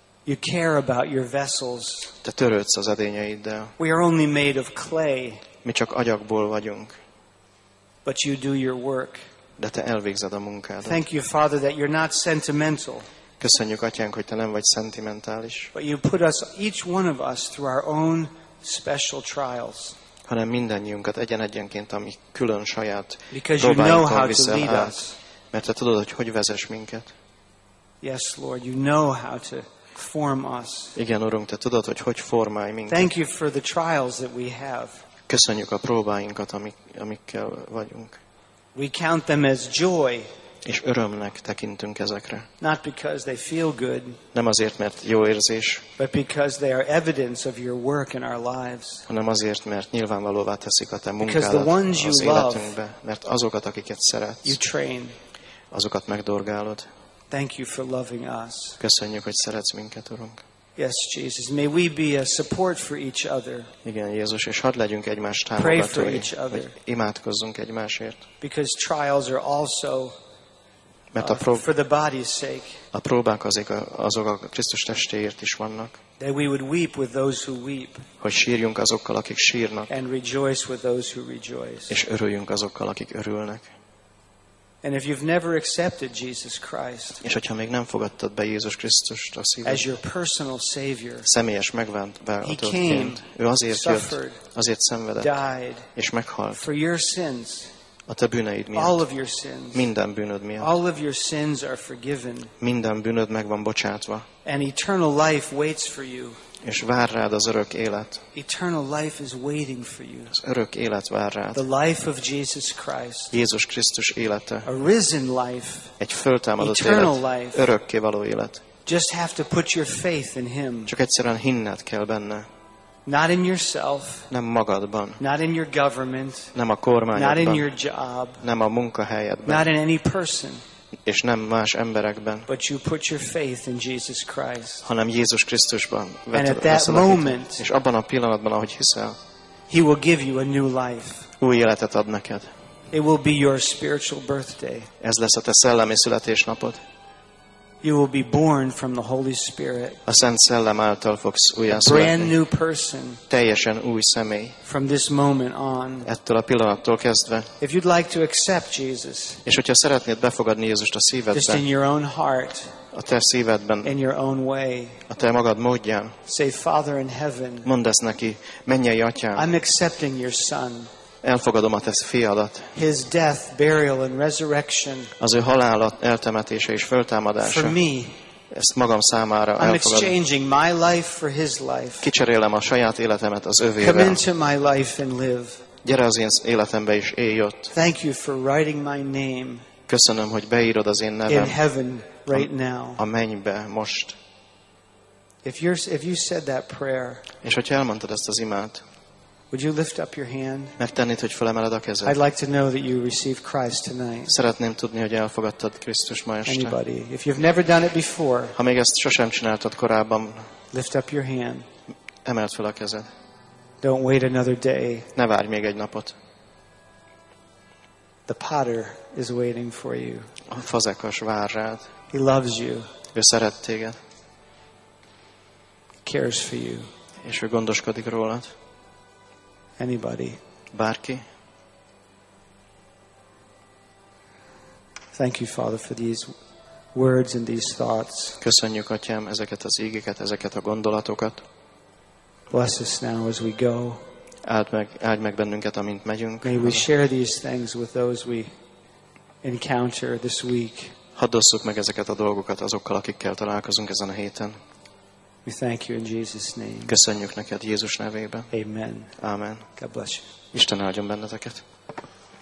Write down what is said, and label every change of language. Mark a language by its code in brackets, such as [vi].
[en] You care about your vessels. [hu] Te törődsz az edényeiddel. [en] We are only made of clay. [hu] Mi csak agyagból vagyunk. [en] But you do your work. [hu] De te elvégzed a munkádat. [en] Thank you, Father, that you're not sentimental. [hu] Köszönjük, Atyánk, hogy te nem vagy szentimentális. [en] But you put us, each one of us, through our own special trials. [hu] Hanem mindannyiunkat egyen-egyenként, ami külön saját próbáinkon viszel át. Mert te tudod, hogy hogy vezess minket. [en] Yes, Lord, you know how to form us. [hu] Igen, Urunk, te tudod, hogy hogy formálj minket. [en] Thank you for the trials that we have. [hu] Köszönjük a próbáinkat, amikkel vagyunk. [en] We count them as joy. [hu] És örömnek tekintünk ezekre. [en] Not because they feel good. [hu] Nem azért, mert jó érzés. [en] But because they are evidence of your work in our lives. [hu] Hanem azért, mert nyilvánvalóvá teszik a te munkádat. [en] Because the ones you love, [hu] mert azokat, akiket szeretsz. [en] You train. [hu] Azokat megdorgálod. [en] Thank you for loving us. [hu] Köszönjük, hogy szeretsz minket, Urunk. [en] Yes, Jesus, may we be a support for each other. [hu] Igen, Jézus, és hadd legyünk egymás támogatói. [en] Pray for each other. [hu] Imádkozzunk egymásért. [en] Because trials are also for the body's sake. [hu] A próbák azok a Krisztus testéért is vannak. [en] That we would weep with those who weep. [hu] Hogy sírjunk azokkal, akik sírnak. [en] And rejoice with those who rejoice. [hu] És örüljünk azokkal, akik örülnek. [en] And if you've never accepted Jesus Christ, [hu] és hogyha még nem fogadtad be Jézus Krisztust a szíved, [en] as your personal savior, [hu] személyes megváltóként, ő azért jött, azért szenvedett, [en] died, [hu] és meghalt, [en] for your sins, [hu] a te bűneid miatt, [en] all of your sins, [hu] minden bűnöd miatt, [en] all of your sins are forgiven, [hu] minden bűnöd meg van bocsátva, [en] and eternal life waits for you, [hu] és vár rád az örök élet. [en] Eternal life is waiting for you. [hu] Az örök élet vár rád. [en] The life of Jesus Christ. [hu] Jézus Krisztus élete. [en] A risen life. [hu] Egy föltámadott [en] eternal [hu] élet. [en] Life. [hu] Örökké való élet. [en] Just have to put your faith in him. [hu] Csak egyszerűen hinned kell benne. [en] Not in yourself. [hu] Nem magadban. [en] Not in your government. [hu] Nem a kormányodban. [en] Not in your job. [hu] Nem a munkahelyedben. [en] Not in any person. [hu] És nem más emberekben. [en] But you put your faith in Jesus Christ. [hu] Hanem Jézus Krisztusban. [en] And at that moment, [hu] és abban a pillanatban, ahogy hiszel, [en] He will give you a new life. [hu] Új életet ad neked. [en] It will be your spiritual birthday. [hu] Ez lesz a te szellemi születésnapod. [en] You will be born from the Holy Spirit. [hu] A Szent Szellem által fogsz újjászületni. [en] A brand new person. [hu] Teljesen új személy. [en] From this moment on. [hu] Ettől a pillanattól kezdve. [en] If you'd like to accept Jesus. [hu] És hogyha szeretnéd befogadni Jézust a szívedbe. [en] Just in your own heart. [hu] A te szívedben. [en] In your own way. [hu] A te magad módján. [en] Say, Father in heaven. [hu] Mondd ezt neki, mennyei atyám. [en] I'm accepting your son. [hu] Elfogadom a te fiadat. [en] His death, burial and resurrection. [hu] Az ő halála, eltemetése és föltámadása. [en] For me. [hu] Ezt magam számára elfogadom. [en] I'm exchanging my life for his life. [hu] Kicserélem a saját életemet az övével. [en] Come into my life and live. [hu] Gyere az én életembe és élj ott. [en] Thank you for writing my name. [hu] Köszönöm, hogy beírod az én nevem. [en] In heaven right now. [hu] A mennybe most. [en] If you said that prayer. [hu] És hogyha elmondtad ezt az imát. [en] Would you lift up your hand? [hu] Megtennéd, hogy felemeled a kezed? [en] I'd like to know that you received Christ tonight. [hu] Szeretném tudni, hogy elfogadtad Krisztust ma este. [en] Anybody, if you've never done it before. [hu] Ha még ezt sosem csináltad korábban. [en] Lift up your hand. [hu] Emeld fel a kezed. [en] Don't wait another day. [hu] Ne várj még egy napot. [en] The potter is waiting for you. [hu] A fazekas vár rád. [en] He loves you. [hu] Ő szeret téged. [en] Cares for you. [hu] És ő gondoskodik rólad. [en] Anybody? [hu] Bárki? [en] Thank you, Father, for these words and these thoughts. [hu] Köszönjük, Atyám, ezeket az ígéket, ezeket a gondolatokat. [en] Bless us now as we go. [hu] Áld meg bennünket, amint megyünk. [en] May we share these things with those we encounter this week. [hu] Hadd osszuk meg ezeket a dolgokat azokkal, akikkel találkozunk ezen a héten. [en] We thank you in Jesus' name. [hu] Köszönjük neked Jézus nevében. [en] Amen. Amen. God bless you. [hu] Isten áldjon benneteket.